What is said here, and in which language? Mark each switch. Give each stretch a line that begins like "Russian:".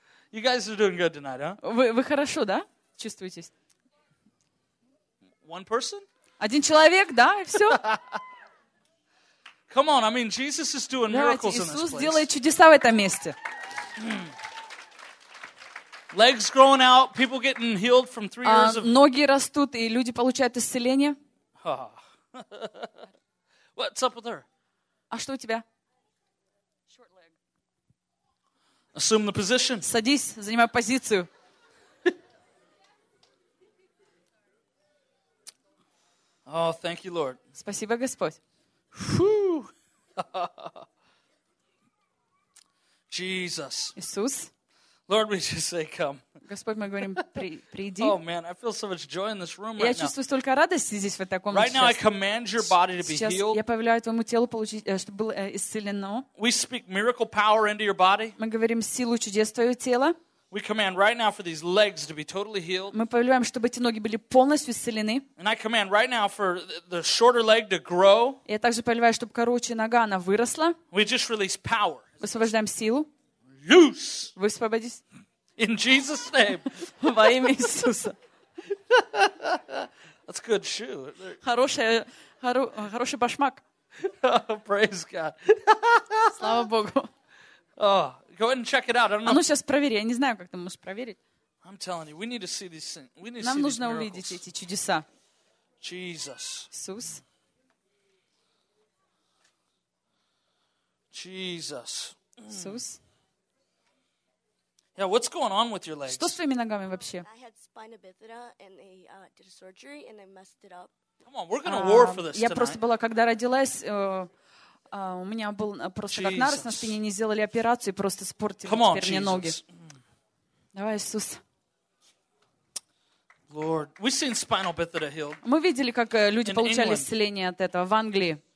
English: You guys are doing good tonight, huh?
Russian: Вы хорошо, да? Чувствуетесь?
English: One person?
Russian: Один человек, да, и все.
English: Come on, I mean, Jesus is doing miracles in this place.
Russian: Иисус делает чудеса в этом месте.
English: Legs growing out, people getting healed from 3 years of...
Russian: Ноги растут, и люди получают исцеление.
English: What's up with her?
Russian: А что у тебя?
English: Short leg. Assume the position.
Russian: Садись, занимай позицию.
English: Oh, thank you, Lord.
Russian: Спасибо, Господь.
English: Jesus.
Russian: Иисус.
English: Lord, we just say come.
Russian: Господь, мы говорим, приди.
English: Oh man, I feel so much joy in this room right now.
Russian: Я чувствую столько радости здесь в этой комнате.
English: Right now, I command your body to be healed.
Russian: Сейчас я повелеваю твоему телу получить, чтобы было исцелено.
English: We speak miracle power into your body.
Russian: Мы говорим силу чудес в твое тело.
English: We command right now for these legs to be totally healed.
Russian: Мы повелеваем, чтобы эти ноги были полностью исцелены.
English: And I command right now for the shorter leg to grow.
Russian: Я также повелеваю, чтобы короче нога она выросла.
English: We just release power.
Russian: Высвобождаем силу.
English: Loose.
Russian: Высвободись.
English: In Jesus' name.
Russian: Во имя Иисуса.
English: That's good shoe.
Russian: Хороший башмак.
English: Praise God.
Russian: Слава Богу.
English: Oh, go ahead and check it out. I don't know.
Russian: А ну сейчас проверь. Я не знаю, как ты можешь проверить.
English: I'm telling you, we need to see these things. We need to
Russian: Нам нужно увидеть эти чудеса.
English: Jesus.
Russian: Иисус.
English: Jesus.
Russian: Иисус.
English: Yeah, what's going on with your legs?
Russian: Что с твоими ногами вообще?
English: I had spina bifida and they did a surgery and they messed it up. Come on, we're going to war for this.
Russian: Я просто была, когда родилась, у меня был просто как нарост на спине, не сделали операцию, просто испортили теперь мне ноги. Давай, Иисус.
English: Lord, we've seen spinal bifida healed.
Russian: Мы видели, как люди получали исцеление от этого в Англии.